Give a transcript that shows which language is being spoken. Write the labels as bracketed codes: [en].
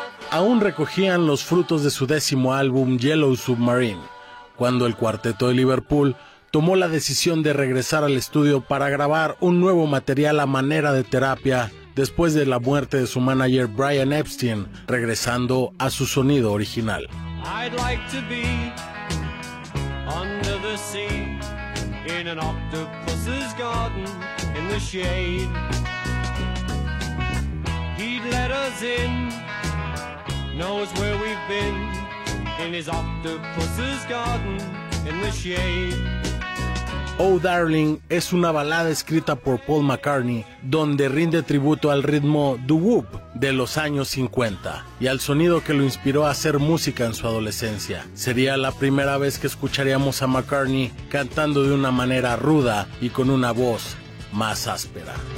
[es] aún recogían los frutos de su décimo álbum Yellow Submarine, cuando el cuarteto de Liverpool tomó la decisión de regresar al estudio para grabar un nuevo material a manera de terapia después de la muerte de su manager Brian Epstein, regresando a su sonido original. [en] I'd like to be under the sea, in an octopus's garden, in the shade. He'd let us in, knows where we've been, in his octopus's garden, in the shade. [es] Oh Darling es una balada escrita por Paul McCartney, donde rinde tributo al ritmo doo-wop de los años 50 y al sonido que lo inspiró a hacer música en su adolescencia. Sería la primera vez que escucharíamos a McCartney cantando de una manera ruda y con una voz más áspera.